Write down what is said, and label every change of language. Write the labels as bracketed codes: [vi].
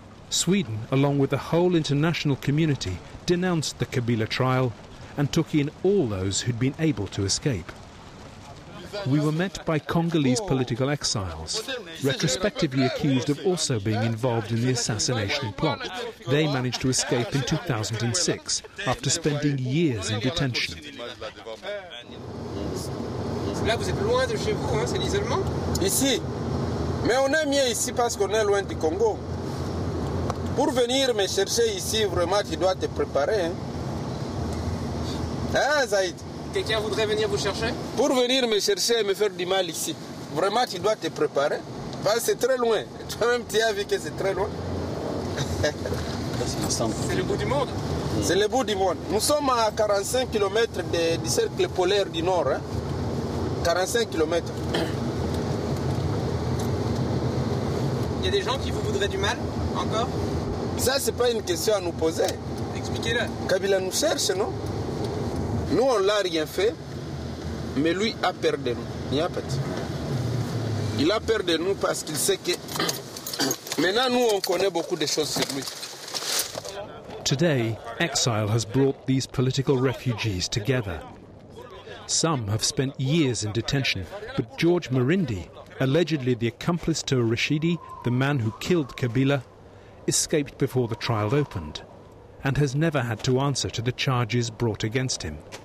[en] Sweden, along with the whole international community, denounced the Kabila trial and took in all those who'd been able to escape. We were met by Congolese political exiles, retrospectively accused of also being involved in the assassination plot. They managed to escape in 2006, after spending years in detention. [fr] Là, vous êtes loin de chez vous, hein, c'est l'isolement. Ici. Mais on est mieux ici parce qu'on est loin du Congo. Pour venir me chercher ici, vraiment, tu dois te préparer. Hein, Zaïd? Quelqu'un voudrait venir vous chercher? Pour venir me chercher et me faire du mal ici. Vraiment, tu dois te préparer. Parce que c'est très loin. Toi-même, tu as vu que c'est très loin. C'est le bout du monde. C'est le bout du monde. Nous sommes à 45 km du cercle polaire du Nord, hein. 45 km. Il y a des gens qui vous voudraient du mal, encore? Ça, c'est pas une question à nous poser. Expliquez-le. Kabila nous cherche, non? Nous, on l'a rien fait, mais lui a peur de nous. Il a peur de nous parce qu'il sait que... Maintenant, nous, on connaît beaucoup de choses sur lui. [en] Today, exile has brought these political refugees together. Some have spent years in detention, but George Marindi, allegedly the accomplice to Rashidi, the man who killed Kabila, escaped before the trial opened and has never had to answer to the charges brought against him.